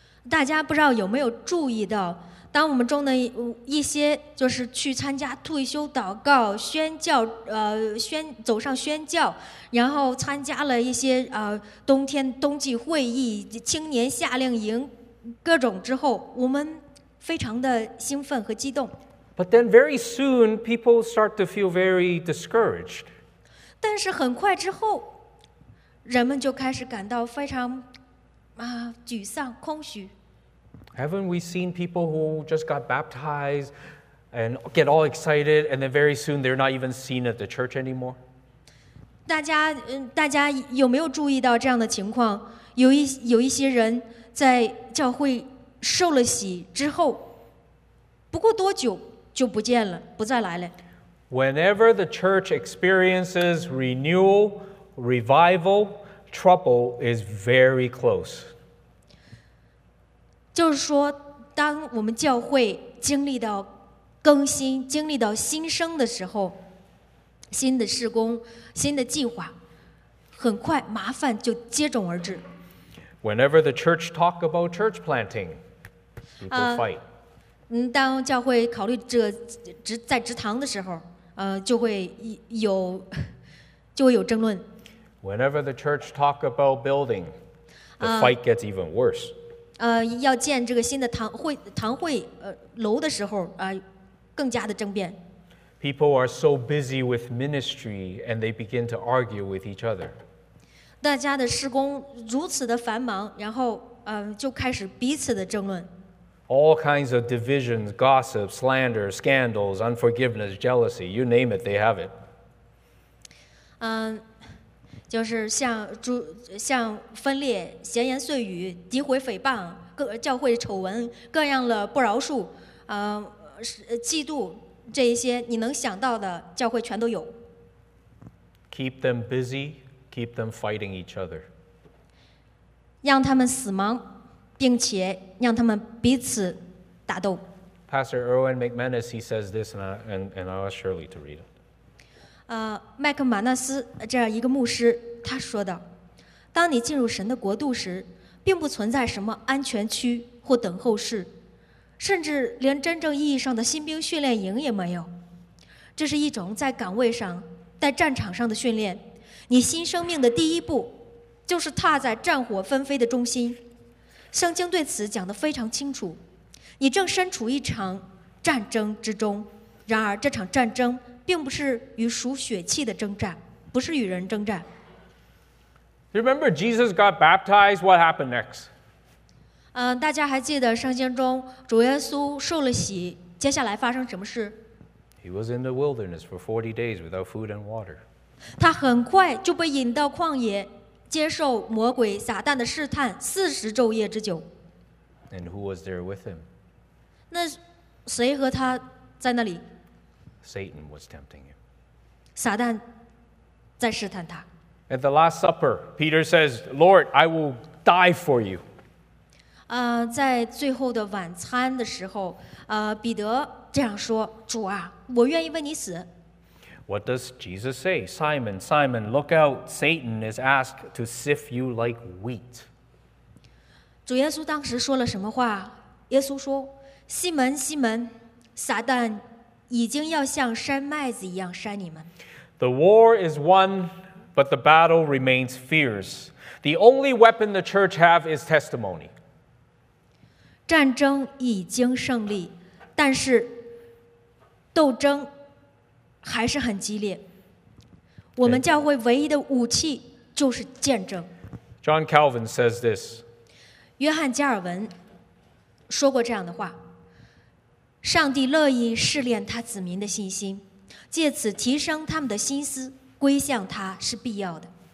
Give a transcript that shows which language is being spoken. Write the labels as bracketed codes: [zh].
[zh] 大家不知道有没有注意到，当我们中的一些就是去参加退休祷告宣教走上宣教，然后参加了一些冬天冬季会议青年夏令营各种之后，我们非常的兴奋和激动。 [en] But then very soon people start to feel very discouraged. [zh] 但是很快之后人们就开始感到非常沮丧空虚。 [en] Haven't we seen people who just got baptized and get all excited and then very soon they're not even seen at the church anymore? [zh] 大家有没有注意到这样的情况？有一些人在教会受了洗之后不过多久就不见了，不再来了。 [en] Whenever the church experiences renewal, revival, trouble is very close. [zh] 就是说，当我们教会经历到更新、经历到新生的时候，新的事工、新的计划，很快麻烦就接踵而至。 [en] Whenever the church talk about church planting, people fight. [zh] 当教会考虑这在职堂的时候，就会有争论。 [en] Whenever the church talk about building, the fight gets even worse. [zh] 要建这个新的堂会楼的时候，更加的争辩。 [en] People are so busy with ministry, and they begin to argue with each other. [zh] 大家的事工如此的繁忙，然后就开始彼此的争论。 [en] All kinds of divisions, gossip, slander, scandals, unforgiveness, jealousy, you name it, they have it. [zh] 就是像分裂、闲言碎语、诋毁、诽谤、各教会丑闻、各样的不饶恕、嫉妒，这一些你能想到的教会全都有。 [en] Keep them busy, keep them fighting each other. [zh] 让他们死忙，并且让他们彼此打斗。 [en] Pastor Erwin McManus, he says this, and I'll ask Shirley to read it. [zh] 麦克马纳斯这样一个牧师他说道，当你进入神的国度时，并不存在什么安全区或等候室，甚至连真正意义上的新兵训练营也没有。这是一种在岗位上在战场上的训练，你新生命的第一步就是踏在战火纷飞的中心。圣经对此讲得非常清楚，你正身处一场战争之中，然而这场战争并不是与属血气的征战，不是与人征战。 [en] Remember Jesus got baptized, what happened next? [zh] 大家还记得圣经中主耶稣受了洗，接下来发生什么事？ [en] He was in the wilderness for 40 days without food and water. [zh] 他很快就被引到旷野，接受魔鬼撒旦的试探40昼夜之久。 [en] And who was there with him? [zh] 那谁和他在那里？ [en] Satan was tempting him. [zh] 撒旦在试探他。 [en] At the Last Supper, Peter says, Lord, I will die for you. [zh] 在最后的晚餐的时候，彼得这样说，主啊，我愿意为你死。 [en] What does Jesus say? Simon, Simon, look out, Satan is asked to sift you like wheat. [zh] 主耶稣当时说了什么话？耶稣说，西门，西门，撒旦已经要像筛麦子一样筛你们。 [en] The war is won, but the battle remains fierce. The only weapon the church have is testimony. [zh] 战争已经胜利，但是斗争还是很激烈。我们教会唯一的武器就是见证。 [en] John Calvin says this. [zh] 约翰加尔文说过这样的话。上帝乐意试炼他子民的信心，借此提升他们的心思，归向他是必要的。